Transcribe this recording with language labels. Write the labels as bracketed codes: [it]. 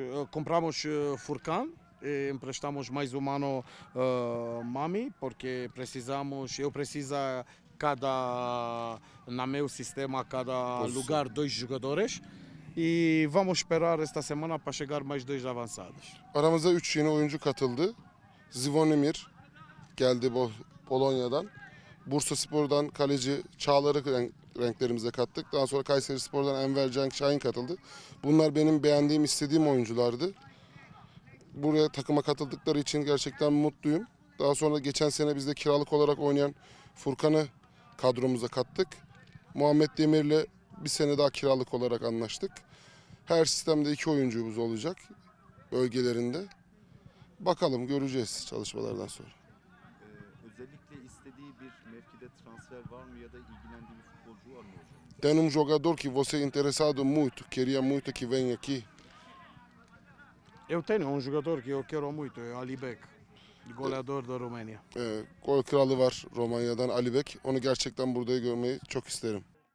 [pt] Compramos Furkan. Emprestamos mais um ano Mami, porque precisamos. Eu preciso cada. Na meu sistema, cada lugar, 2 jogadores. E vamos esperar esta semana para chegar mais 2 avançados. [tr] Aramıza 3 yeni oyuncu katıldı. Zvonimir geldi Polonya'dan. Bursa Spor'dan kaleci Çağlar'ı renklerimize kattık. Daha sonra Kayseri Spor'dan Enver Cenk Şahin katıldı. Bunlar benim beğendiğim, istediğim oyunculardı. Buraya takıma katıldıkları için gerçekten mutluyum. Daha sonra geçen sene bizde kiralık olarak oynayan Furkan'ı kadromuza kattık. Muhammed Demir'le bir sene daha kiralık olarak anlaştık. Her sistemde 2 oyuncumuz olacak bölgelerinde. Bakalım göreceğiz çalışmalardan sonra. Özellikle istediği bir mevkide transfer var mı ya da ilgilendiği bir futbolcu var mı hocam? [pt] Tem um jogador que você interessado muito, queria muito que venha aqui. Eu tenho um jogador que eu quero muito, Ali Bek. Goleador da Romênia. [tr] Gol kralı var Romanya'dan Ali Bek. Onu gerçekten burada görmeyi çok isterim.